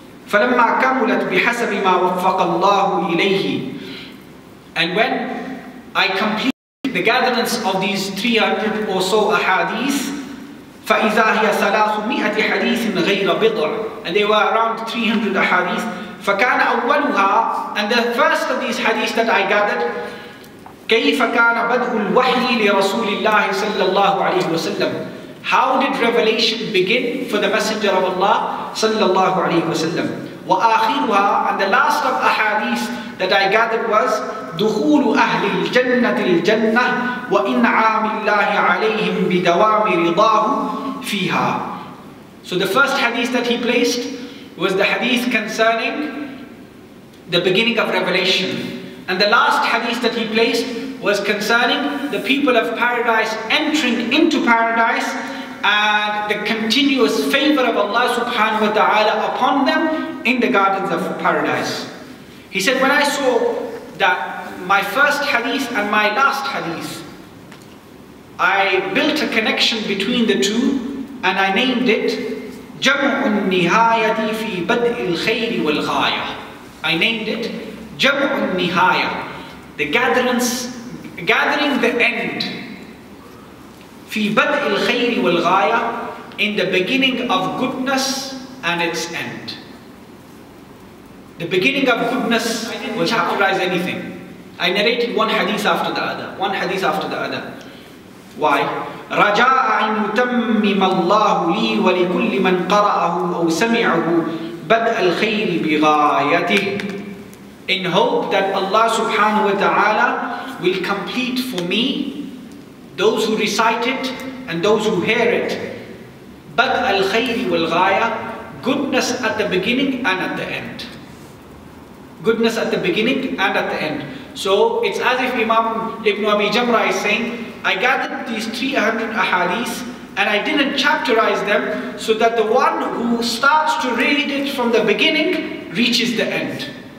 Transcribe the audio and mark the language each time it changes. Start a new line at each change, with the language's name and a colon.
Arabic: فَلَمَّا كَمُلَتْ بِحَسَبِ مَا وَفَّقَ اللَّهُ إِلَيْهِ.
English: And when I complete the gatherings of these 300 or so ahadith,
Arabic: فَإِذَا هِيَ ثَلَاثُ مِئَةِ حَدِيثٍ غَيْرَ بِضْعٍ.
English: And they were around 300 hadith.
Arabic: فَكَانَ أَوَّلُهَا.
English: And the first of these hadith that I gathered,
Arabic: كَيْفَ كَانَ بَدْءُ الْوَحْيِ لِرَسُولِ اللَّهِ صَلَّى اللَّهُ عَلَيْهِ وَسَلَّمُ.
English: How did revelation begin for the Messenger of Allah sallallahu alayhi wasallam?
Arabic: وآخرها,
English: and the last of ahadith that I gathered was
Arabic: دخول أهل الجنة الجنة وإنعام الله عليهم بدوام رضاه فيها.
English: So the first hadith that he placed was the hadith concerning the beginning of revelation. And the last hadith that he placed was concerning the people of paradise entering into paradise and the continuous favor of Allah subhanahu wa ta'ala upon them in the gardens of paradise. He said, when I saw that my first hadith and my last hadith, I built a connection between the two and I named it جَمْعُ النِّهَايَةِ فِي بَدْءِ الْخَيْرِ وَالْغَايَةِ. I named it جَمْعُ النِّهَايَةِ, the gathering the end. فِي بَدْءِ الْخَيْرِ وَالْغَايَةِ, in the beginning of goodness and its end. The beginning of goodness will characterize anything. I narrated one hadith after the other, one hadith after the other. Why?
Arabic: رجاء أن يتمم الله لي ولكل من قرأه أو سمعه بدء الخير بغايته.
English: In hope that Allah subhanahu wa ta'ala will complete for me, those who recite it and those who hear it,
Arabic: بدء الخير والغاية,
English: goodness at the beginning and at the end. Goodness at the beginning and at the end. So it's as if Imam Ibn Abi Jamrah is saying, I gathered these 300 ahadith and I didn't chapterize them so that the one who starts to read it from the beginning reaches the end.